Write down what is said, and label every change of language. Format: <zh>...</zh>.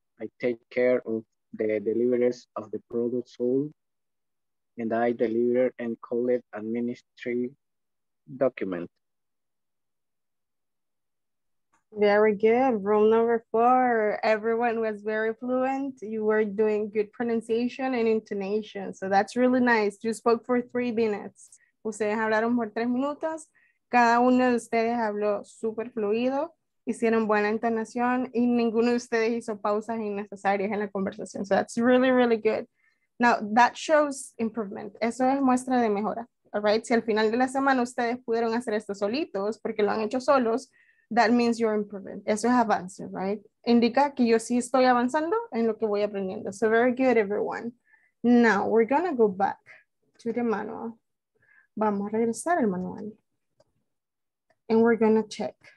<en>I take care of the deliveries of the product sold, and I deliver and collect administrative documents. Very good. Room number four. Everyone was very fluent. You were doing good pronunciation and intonation. So that's really nice. You spoke for 3 minutes.</en> <es>Ustedes hablaron por 3 minutos. Cada uno de ustedes habló súper fluido. Hicieron buena entonación y ninguno de ustedes hizo pausas innecesarias en la conversación.</es> <en>So that's really, really good. Now, that shows improvement.</en> <es>Eso es muestra de mejora. All right? Si al final de la semana ustedes pudieron hacer esto solitos porque lo han hecho solos,</es> <en>that means you're improving.</en> <es>Eso es avance, right? Indica que yo sí estoy avanzando en lo que voy aprendiendo.</es> <en>So very good, everyone. Now, we're going to go back to the manual.</en> <es>Vamos a regresar al manual.</es> <en>And we're going to check.</en>